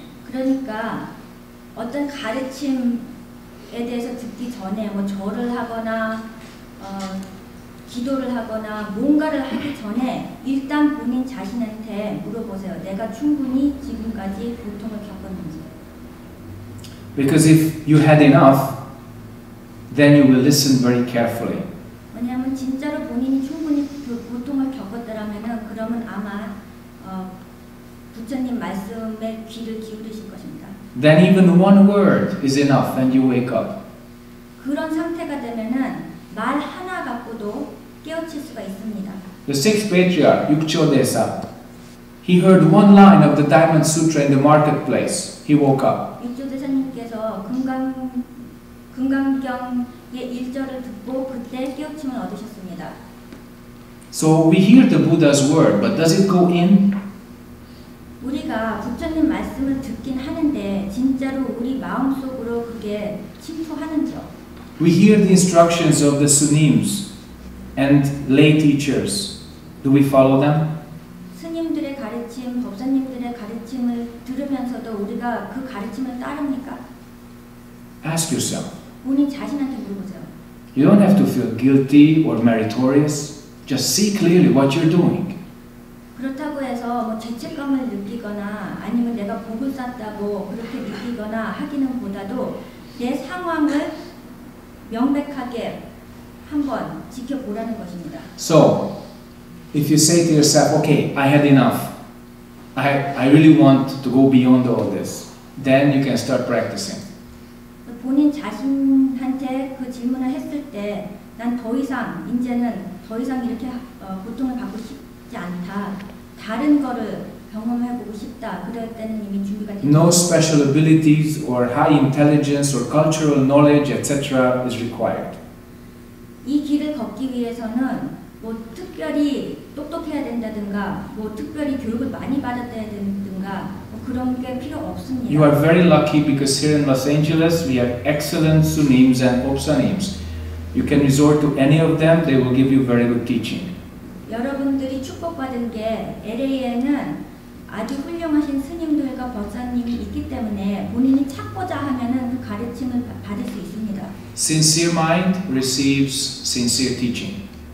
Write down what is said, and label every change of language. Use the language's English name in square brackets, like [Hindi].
[Korean] 그러니까 어떤 가르침에 대해서 듣기 전에 뭐 절을 하거나 기도를 하거나 뭔가를 하기 전에 일단 본인 자신한테 물어보세요. 내가 충분히 지금까지 고통을 겪었는지. [English] Because if you had enough, then you will listen very carefully. [Korean] 왜냐하면 진짜로 본인이 충분히 그 고통을 겪었더라면은 그러면 아마 부처님 말씀에 귀를 기울이실 것입니다. [English] Then even one word is enough, and you wake up. [Korean] 그런 상태가 되면은 말 하나 갖고도 깨우칠 수가 있습니다. [English] The sixth patriarch, Yukcho Desa, he heard one line of the Diamond Sutra in the marketplace. He woke up. [Korean] 육조 대사님께서 금강경의 일절을 듣고 그때 깨우침을 얻으셨습니다. [English] So we hear the Buddha's word, but does it go in? [Korean] 우리가 부처님 말씀을 듣긴 하는데 진짜로 우리 마음속으로 그게 침투하는지요? [English] We hear the instructions of the Sunims and lay teachers. Do we follow them? [Korean] 스님들의 가르침, 법사님들의 가르침을 들으면서도 우리가 그 가르침을 따릅니까? [English] Ask yourself. [Korean] 본인 자신한테 물어보세요. [English] You don't have to feel guilty or meritorious. Just see clearly what you're doing. [Korean] 그렇다고 해서 뭐 죄책감을 느끼거나 아니면 내가 복을 쌌다고 그렇게 느끼거나 하기는 보다도 내 상황을 명백하게 한번 지켜보라는 것입니다. [English] So, if you say to yourself, okay, I had enough. I really want to go beyond all this. Then you can start practicing. [Korean] 본인 자신한테 그 질문을 했을 때 난 더 이상, 이제는 더 이상 이렇게 고통을 받고 싶다. 다른 거를 경험해보고 싶다. 그럴 때는 이미 준비가 됐다. [English] No special abilities or high intelligence or cultural knowledge, etc. is required. [Korean] 이 길을 걷기 위해서는 뭐 특별히 똑똑해야 된다든가 뭐 특별히 교육을 많이 받았다 든가 뭐 그런 게 필요 없습니다. [English] You are very lucky because here in Los Angeles we have excellent sunims and opsanims. You can resort to any of them. They will give you very good teaching. [Korean] 여러분들이 축복받은 게 LA에는 아주 훌륭하신 스님들과 법사님이 있기 때문에 본인이 찾고자 하면은 그 가르침을 받을 수 있습니다. [English] Sincere mind receives sincere teaching.